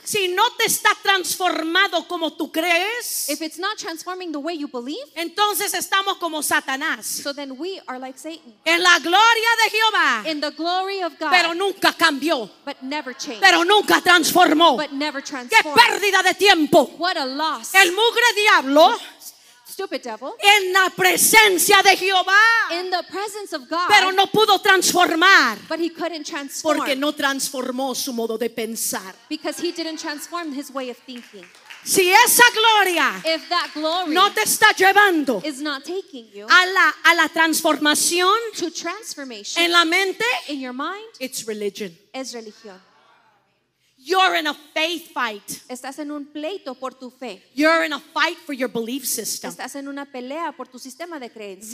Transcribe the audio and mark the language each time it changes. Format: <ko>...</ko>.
<es>si no te está transformado como tú crees,</es> <en>if it's not transforming the way you believe,</en> <es>entonces estamos como Satanás.</es> <en>So then we are like Satan.</en> <es>En la gloria de Jehová,</es> <en>in the glory of God,</en> <es>pero nunca cambió,</es> <en>but never changed,</en> <es>pero nunca transformó,</es> <en>but never transformed.</en> <es>Qué pérdida de tiempo.</es> <en>What a loss.</en> <es>El mugre diablo,</es> <en>stupid devil,</en> <es>en la presencia de Jehová,</es> <en>in the presence of God,</en> <es>pero no pudo transformar,</es> <en>but he couldn't transform,</en> <es>porque no transformó su modo de pensar,</es> <en>because he didn't transform his way of thinking.</en> <es>Si esa gloria,</es> <en>if that glory,</en> <es>no te está llevando,</es> <en>is not taking you,</en> <es>a la transformación,</es> <en>to transformation,</en> <es>en la mente,</es> <en>in your mind, it's religion,</en> <es>es religión.</es> <en>You're in a faith fight.</en> <es>Estás en un pleito por tu fe.</es> <en>You're in a fight for your belief system.</en> <es>Estás en una pelea por tu sistema de creencias.</es>